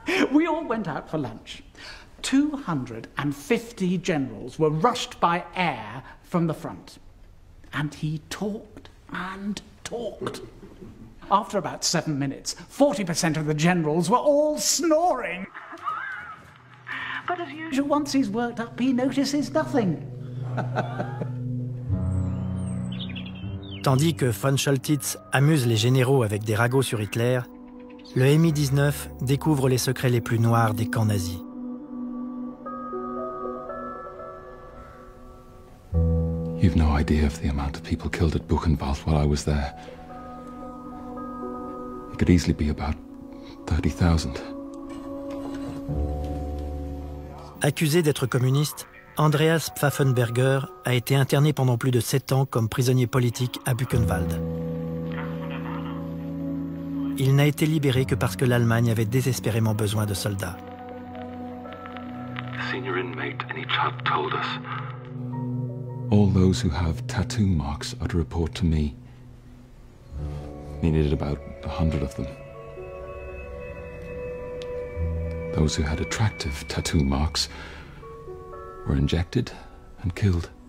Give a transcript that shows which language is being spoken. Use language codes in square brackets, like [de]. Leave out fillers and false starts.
[en] We all went out for lunch. 250 generals were rushed by air from the front. And he talked and talked. After about 7 minutes, 40% of the generals were all snoring. But as usual, once he's worked up, he notices nothing. [fr] Tandis que von Scholtitz amuse les généraux avec des ragots sur Hitler, le MI-19 découvre les secrets les plus noirs des camps nazis. [en] You've no idea of the amount of people killed at Buchenwald while I was there. It could easily be about 30,000. [fr] Accusé d'être communiste, Andreas Pfaffenberger a été interné pendant plus de 7 ans comme prisonnier politique à Buchenwald. Il n'a été libéré que parce que l'Allemagne avait désespérément besoin de soldats. [en] Senior inmate, any chat told us. All those who have tattoo marks are to report to me. We needed about 100 of them. Those who had attractive tattoo marks were injected and killed.